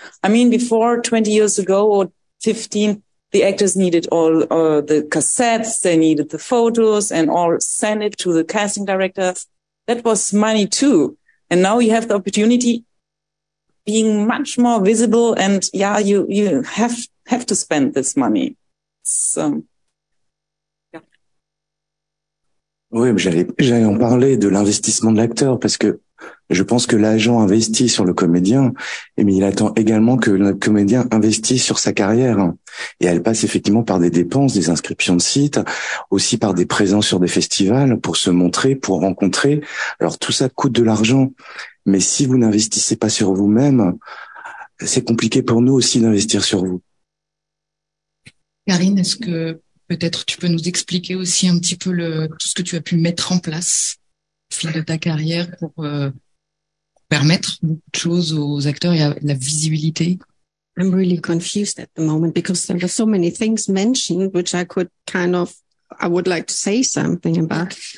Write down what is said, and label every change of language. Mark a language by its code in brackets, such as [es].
[en] I mean, before 20 years ago or 15, the actors needed all the cassettes. They needed the photos and all send it to the casting director. That was money too. And now you have the opportunity being much more visible, and yeah, you have to spend this money. So, yeah. [fr] Oui, j'allais en parler de l'investissement de l'acteur, parce que je pense que l'agent investit sur le comédien, mais il attend également que le comédien investisse sur sa carrière. Et elle passe effectivement par des dépenses, des inscriptions de sites, aussi par des présences sur des festivals pour se montrer, pour rencontrer. Alors tout ça coûte de l'argent, mais si vous n'investissez pas sur vous-même, c'est compliqué pour nous aussi d'investir sur vous. Karine, est-ce que peut-être tu peux nous expliquer aussi un petit peu tout ce que tu as pu mettre en place fil de ta carrière pour permettre beaucoup de choses aux acteurs et à la visibilité. [en] I'm really confused at the moment because there were so many things mentioned which I could kind of, I would like to say something about.